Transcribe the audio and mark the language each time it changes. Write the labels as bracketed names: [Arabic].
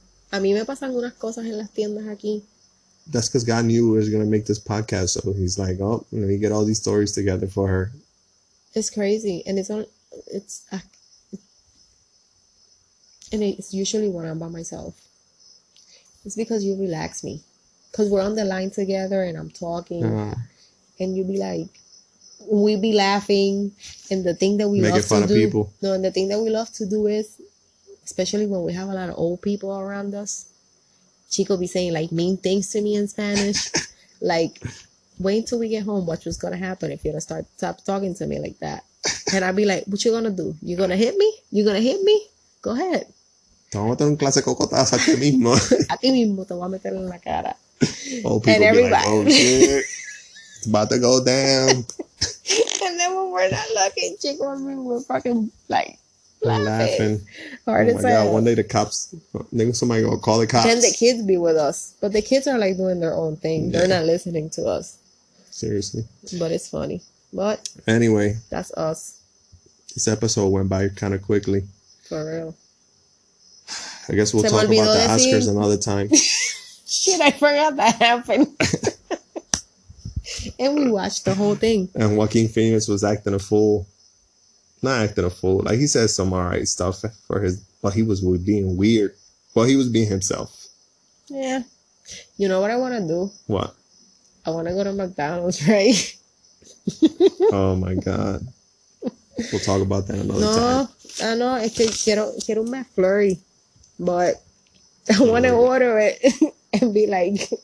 [Spanish] A mí me pasan unas cosas en las tiendas aquí. [English] That's because God knew we was going to make this podcast. So he's like, oh, let me get all these stories together for her. It's crazy. And it's usually when I'm by myself. It's because you relax me. Because we're on the line together and I'm talking. And you be like, we be laughing, and the thing that we love to do. No, and the thing that we love to do is, especially when we have a lot of old people around us. Chico be saying like mean things to me in Spanish. Like, wait until we get home. Watch what's gonna happen if you're gonna stop talking to me like that. And I'd be like, what you gonna do? You gonna hit me? You gonna hit me? Go ahead. [Spanish] Te voy a meter un clase de cocotas a ti mismo. A ti mismo te voy a meter en la cara. [English] Old people and everybody. Be like, oh shit. It's about to go down. And then when we're not looking, Chico and me, we're fucking like laughing. Oh my god, one day the cops, then somebody will call the cops. Can the kids be with us? But the kids are like doing their own thing. Yeah. They're not listening to us. Seriously. But it's funny. But anyway, that's us. This episode went by kind of quickly. For real. I guess we'll talk about the Oscars another time. Shit, I forgot that happened. And we watched the whole thing. And Joaquin Phoenix was acting a fool. Not acting a fool. Like, he said some alright stuff for his... But he was being weird. But he was being himself. Yeah. You know what I want to do? What? I want to go to McDonald's, right? Oh, my God. We'll talk about that another time. No. I know. [Spanish] Es que quiero un McFlurry. [English] But I want to order it and be like...